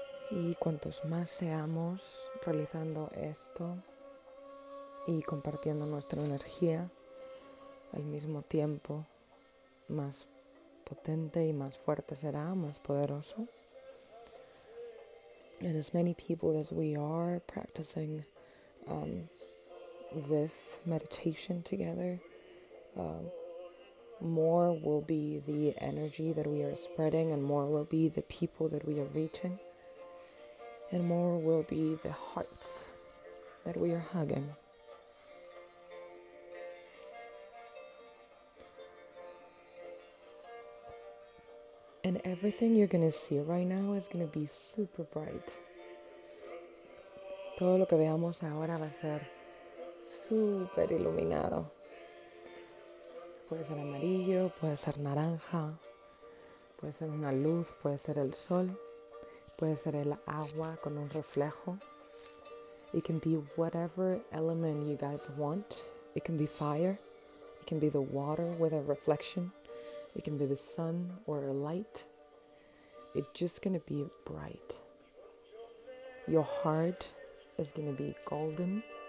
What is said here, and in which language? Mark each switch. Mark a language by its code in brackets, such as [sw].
[es] Y cuantos más seamos realizando esto y compartiendo nuestra energía, al mismo tiempo, más potente y más fuerte será, más poderoso. [en] And as many people as we are practicing this meditation together, more will be the energy that we are spreading, and more will be the people that we are reaching, and more will be the hearts that we are hugging. And everything you're going to see right now is going to be super bright. [es] Todo lo que veamos ahora va a ser super iluminado. Puede ser amarillo, puede ser naranja, puede ser una luz, puede ser el sol, puede ser el agua con un reflejo. [en] It can be whatever element you guys want. It can be fire. It can be the water with a reflection. It can be the sun or a light. It's just going to be bright. Your heart is going to be golden.